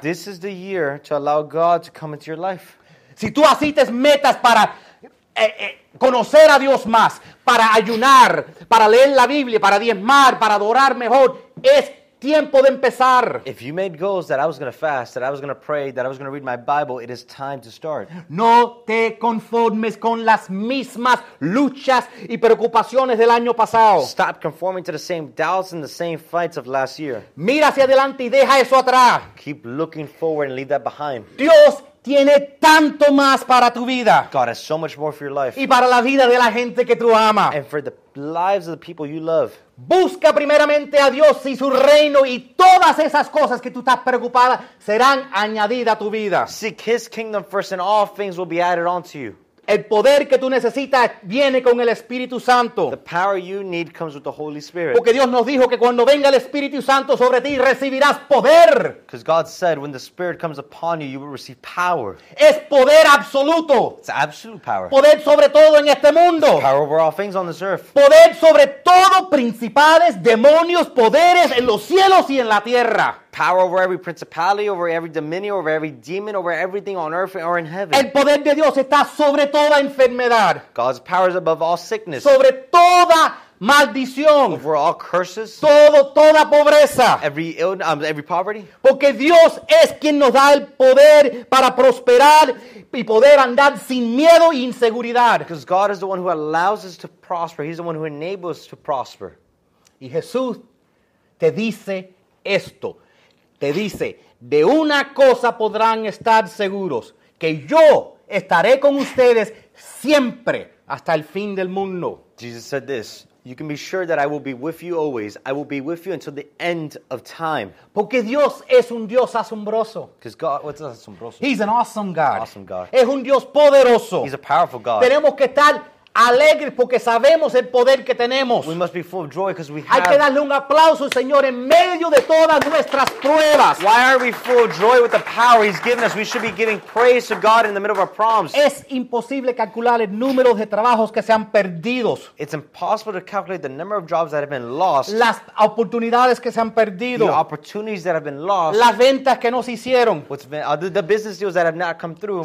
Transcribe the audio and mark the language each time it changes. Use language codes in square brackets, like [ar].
[en] This is the year to allow God to come into your life. [es] Si tú asites metas para conocer a Dios más, para ayunar, para leer la Biblia, para diezmar, para adorar mejor, es tiempo de empezar. [en] If you made goals that I was going to fast, that I was going to pray, that I was going to read my Bible, it is time to start. [es] No te conformes con las mismas luchas y preocupaciones del año pasado. [en] Stop conforming to the same doubts and the same fights of last year. [es] Mira hacia adelante y deja eso atrás. [en] Keep looking forward and leave that behind. [es] Dios tiene tanto más para tu vida. [en] God has so much more for your life. [es] Y para la vida de la gente que tú amas. [en] And for the lives of the people you love. [es] Busca primeramente a Dios y su reino y todas esas cosas que tú estás preocupada serán añadidas a tu vida. [en] Seek His kingdom first and all things will be added onto you. [es] El poder que tú necesitas viene con el Espíritu Santo. [en] The power you need comes with the Holy Spirit. [es] Porque Dios nos dijo que cuando venga el Espíritu Santo sobre ti, recibirás poder. [en] Because God said when the Spirit comes upon you, you will receive power. [es] Es poder absoluto. [en] It's absolute power. [es] Poder sobre todo en este mundo. [en] It's power over all things on this earth. [es] Poder sobre todo principales, demonios, poderes en los cielos y en la tierra. [en] Power over every principality, over every dominion, over every demon, over everything on earth or in heaven. [es] El poder de Dios está sobre toda enfermedad. [en] God's power is above all sickness. [es] Sobre toda maldición. [en] Over all curses. [es] Toda pobreza. [en] Every poverty. [es] Porque Dios es quien nos da el poder para prosperar y poder andar sin miedo e inseguridad. [en] Because God is the one who allows us to prosper. He's the one who enables us to prosper. [es] Y Jesús te dice esto. Te dice, de una cosa podrán estar seguros, que yo estaré con ustedes siempre hasta el fin del mundo. [en] Jesus said this, you can be sure that I will be with you always. I will be with you until the end of time. [es] Porque Dios es un Dios asombroso. [en] Because God, what's asombroso? He's an awesome God. Awesome God. [es] Es un Dios poderoso. [en] He's a powerful God. [es] Tenemos que estar alegres porque sabemos el poder que tenemos. [en] We must be full of joy because we have. [es] Hay que darle un aplauso, Señor, en medio de todas nuestras pruebas. [en] Why are we full of joy with the power He's given us? We should be giving praise to God in the middle of our problems. [es] Es imposible calcular el número de trabajos que se han perdido. [en] It's impossible to calculate the number of jobs that have been lost. [es] Las oportunidades que se han perdido. [en] The opportunities that have been lost. [es] Las ventas que no se hicieron. [en] The business deals that have not come through.